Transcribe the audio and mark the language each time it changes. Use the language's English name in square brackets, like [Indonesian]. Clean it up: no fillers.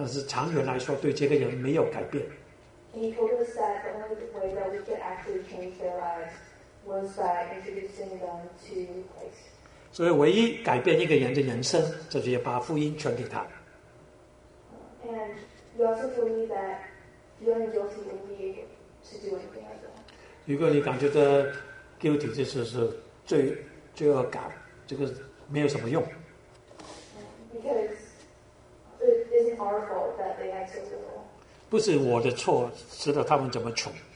[Chinese] 但是长远来说对这个人没有改变。 [English] He told us that the only way that we could actually change their lives was by introducing them to Christ. [Chinese] 所以唯一改变一个人的人生，就是把福音传给他。 [English] And you also told me that you only guilty only to do anything. [Chinese] 如果你感觉的 guilty 就是罪恶感，这个没有什么用。 [English] Because it isn't our fault that they had so little. [Chinese] 不是我的错，知道他们怎么穷。